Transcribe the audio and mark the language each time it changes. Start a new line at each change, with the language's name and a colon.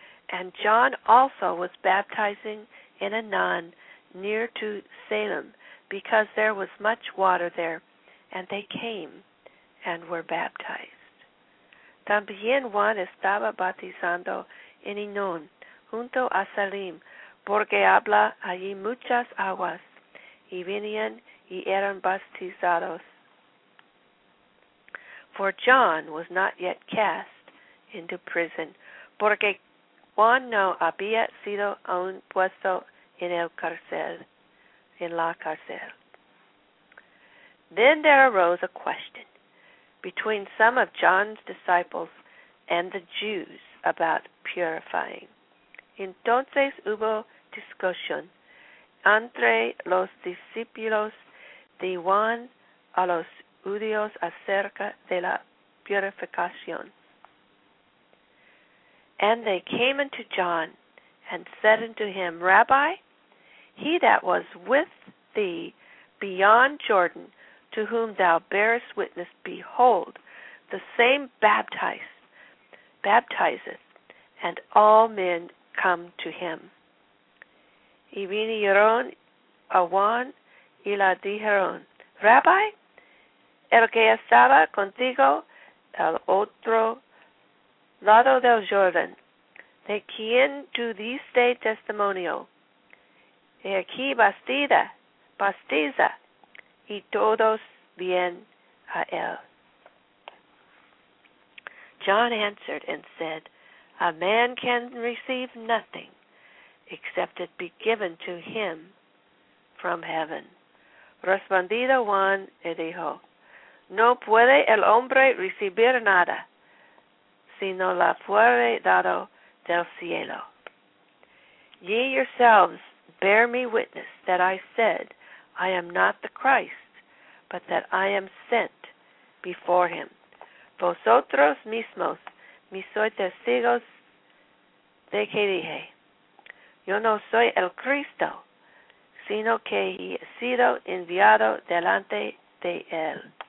English: And John also was baptizing in Anon near to Salem, because there was much water there, and they came and were baptized.
Spanish: También Juan estaba bautizando en Enon, junto a Salim, porque habla allí muchas aguas, y venían y eran bautizados.
English: For John was not yet cast into prison,
Spanish: porque Juan no había sido aún puesto en la cárcel.
English: Then there arose a question between some of John's disciples and the Jews about purifying.
Spanish: Entonces hubo discusión entre los discípulos de Juan a los judíos acerca de la purificación.
English: And they came unto John and said unto him, Rabbi, he that was with thee beyond Jordan, to whom thou bearest witness, behold, the same baptizeth, and all men come to him.
Spanish: Y vinieron a Juan y la dijeron, Rabbi, el que estaba contigo al otro lado del Jordan, de quien tú diste testimonio, y aquí bautiza, y todos vienen a él.
English: John answered and said, A man can receive nothing except it be given to him from heaven.
Spanish: Respondido Juan y dijo, No puede el hombre recibir nada, sino la fuere dado del cielo.
English: Ye yourselves bear me witness that I said, I am not the Christ, but that I am sent before him.
Spanish: Vosotros mismos me sois testigos de que dije, Yo no soy el Cristo, sino que he sido enviado delante de él.